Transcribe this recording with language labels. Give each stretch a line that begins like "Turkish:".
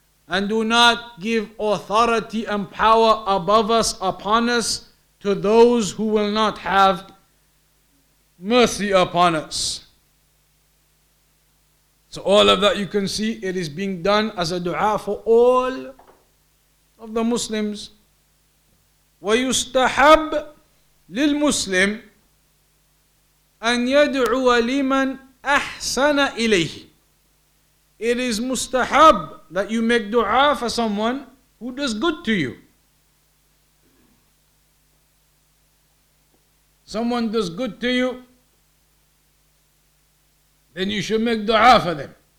English: And do not give authority and power above us, upon us, to those who will not have mercy upon us. So all of that, you can see, it is being done as a dua for all of the Muslims.
Arabic: ويستحب للمسلم أن يدعو لمن أحسن إليه.
English: It is mustahab that you make dua for someone who does good to you. Someone does good to you, then you should make dua for them.